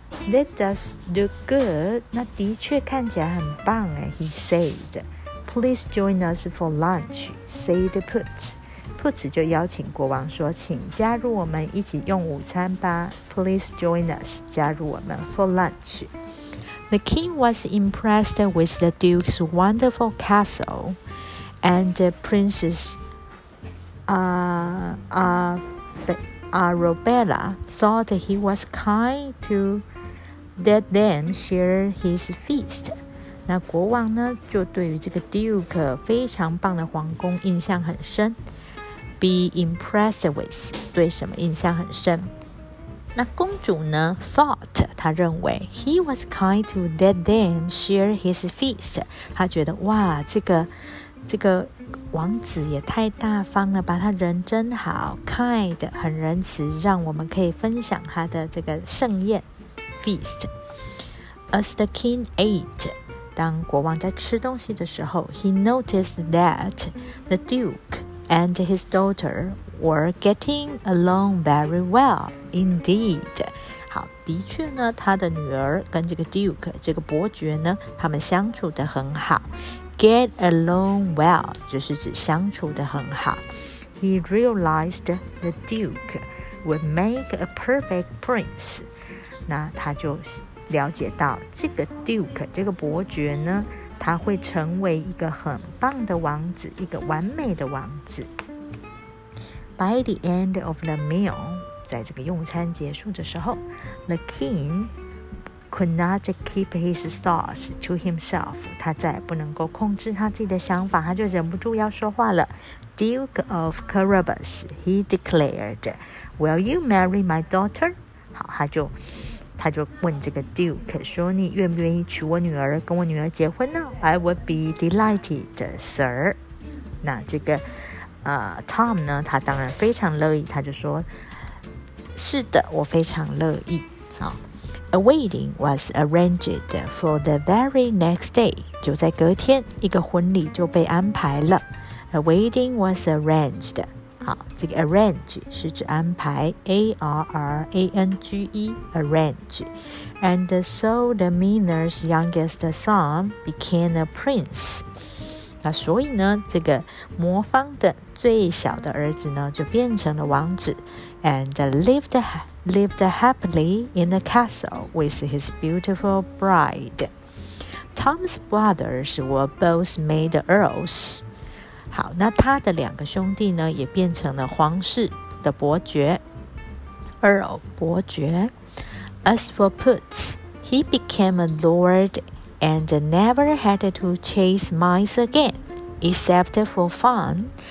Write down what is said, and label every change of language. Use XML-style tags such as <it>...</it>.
<en>That does look good.</en> <zh>那的确看起来很棒哎。</zh> <en>He said, "Please join us for lunch." Said Puss.</en> <zh>Puss 就邀请国王说，请加入我们一起用午餐吧。</zh> <en>Please join us.</en> <zh>加入我们</zh> <en>for lunch. The king was impressed with the duke's wonderful castle. And the princess Arabella thought he was kind to let them share his feast.</en> <zh>那国王呢，就对于这个 Duke 非常棒的皇宫印象很深。</zh> <en>Be impressed with</en> <zh>对什么印象很深？那公主呢</zh> <en>？Thought</en> <zh>她认为</zh> <en>he was kind to let them share his feast.</en> <zh>她觉得哇，这个王子也太大方了吧，他人真好 kind 很仁慈，让我们可以分享他的这个盛宴 feast.</zh> <en>As the king ate,</en> <zh>当国王在吃东西的时候</zh> <en>he noticed that the duke and his daughter were getting along very well indeed.</en> <zh>好，的确呢，他的女儿跟这个 Duke 这个伯爵呢，他们相处得很好。</zh> <en>Get along well</en> <zh>就是指相处得很好。</zh> <en>He realized the Duke would make a perfect prince.</en> <zh>那他就了解到这个 Duke 这个伯爵呢，他会成为一个很棒的王子，一个完美的王子。</zh> <en>By the end of the meal,</en> <zh>在这个用餐结束的时候</zh> <en>,the king could not keep his thoughts to himself.</en> <zh>他再也不能够控制他自己的想法，他就忍不住要说话了。</zh> <en>Duke of Carabas, he declared, Will you marry my daughter?</en> <zh>好，他就问这个 Duke 说，你愿不愿意娶我女儿，跟我女儿结婚呢？</zh> <en>I would be delighted, sir.</en> <zh>那这个Tom 呢，他当然非常乐意，他就说，是的，我非常乐意。</zh> <en>好， A wedding was arranged for the very next day.</en> <zh>就在隔天，一个婚礼就被安排了。</zh> <en>A wedding was arranged.</en> <zh>好，这个</zh> <en>arrange</en> <zh>是指安排，</zh> <en>A-R-R-A-N-G-E, arrange. And so the miner's youngest son became a prince.</en> <zh>那所以呢，这个魔方的最小的儿子呢，就变成了王子 ，</zh> <en>and lived happily in the castle with his beautiful bride. Tom's brothers were both made earls.</en> <zh>好，那他的两个兄弟呢，也变成了皇室的伯爵 ，earl 伯爵。</zh> <en>As for Puss, he became a lord. And never had to chase mice again, except for fun.</en>